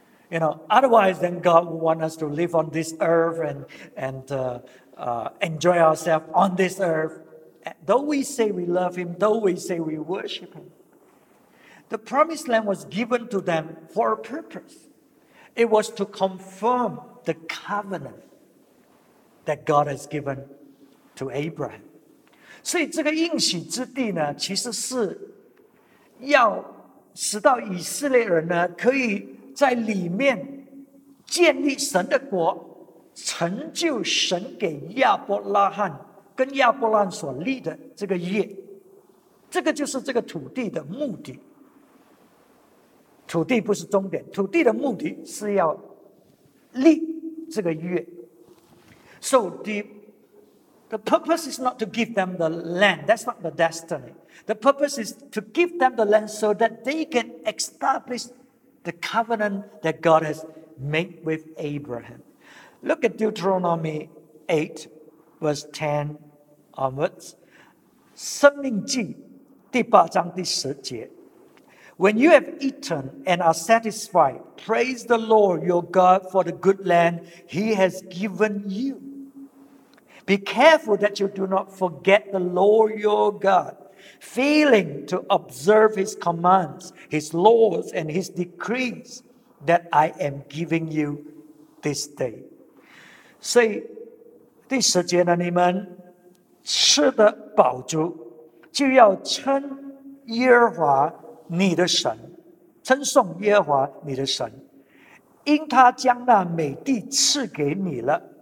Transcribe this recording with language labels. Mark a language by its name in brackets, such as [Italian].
[English] You know, otherwise then God would want us to live on this earth and enjoy ourselves on this earth. And though we say we love him, though we say we worship him, the promised land was given to them for a purpose. It was to confirm the covenant that God has given to Abraham. [Chinese] 所以这个应许之地呢，其实是要使到以色列人呢，可以在里面建立神的国，成就神给亚伯拉罕跟亚伯兰所立的这个业，这个就是这个土地的目的。土地不是终点，土地的目的是要立这个约。 [English] So the purpose is not to give them the land. That's not the destiny. The purpose is to give them the land so that they can establish the covenant that God has made with Abraham. Look at Deuteronomy 8, verse 10 onwards. [Chinese] 生命记第八章第十节。 [English] When you have eaten and are satisfied, praise the Lord your God for the good land he has given you. Be careful that you do not forget the Lord your God, failing to observe his commands, his laws, and his decrees that I am giving you this day. [Chinese] 所以第十节呢，你们吃的饱足，就要称耶和华你的神，称颂耶和华你的神，因他将那美地赐给你了。